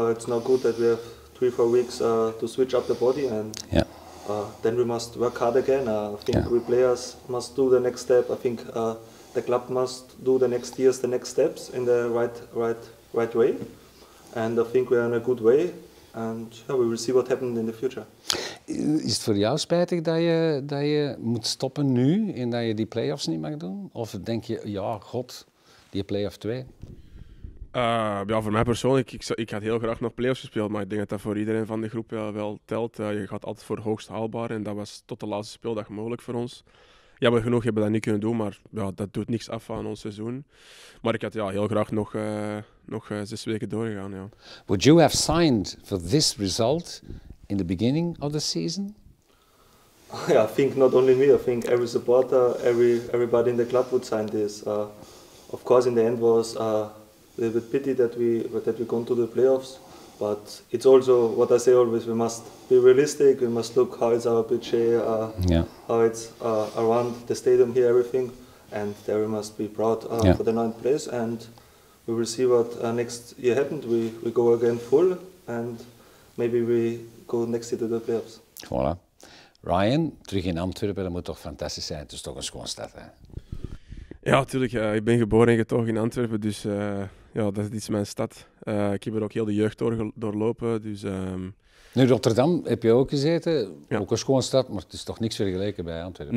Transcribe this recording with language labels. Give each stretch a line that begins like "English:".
English: It's not good that we have 3-4 weeks to switch up the body, and then we must work hard again. I think we players must do the next step. I think. The club must do the next steps in the right way, and I think we are in a good way, and we will see what happens in the future.
Dutch: Is het voor jou spijtig dat je moet stoppen nu en dat je die play-offs niet mag doen, of denk je die play-off 2? Voor mij persoonlijk, ik had heel graag nog play-offs gespeeld, maar ik denk dat voor iedereen van de groep wel telt. Je gaat altijd voor hoogst haalbaar en dat was tot de laatste speeldag mogelijk voor ons. Jammer genoeg hebben we dat niet kunnen doen, maar dat doet niks af aan ons seizoen. Maar ik had heel graag nog 6 weken doorgegaan. Ja.
English: Would you have signed for this result in the beginning of the season? Yeah, I think not only me. I think every supporter, everybody in the club would sign this. Of course, in the end was a little bit pity that we going to the playoffs. But it's also what I say always, we must be realistic, we must look how it's our budget, how it's around the stadium here, everything. And there we must be proud for the ninth place, and we will see what next year happened. We go again full, and maybe we go next year to the playoffs.
French: Voilà.
Dutch: Ryan, terug in Antwerpen, dat moet toch fantastisch zijn. Het is toch een schoon stad, hè? Ja, natuurlijk. Ik ben geboren en getogen in Antwerpen, dus dat is mijn stad. Ik heb er ook heel de jeugd doorlopen. Dus, Nu, Rotterdam heb je ook gezeten. Ja. Ook een schoon stad, maar het is toch niks vergeleken bij Antwerpen?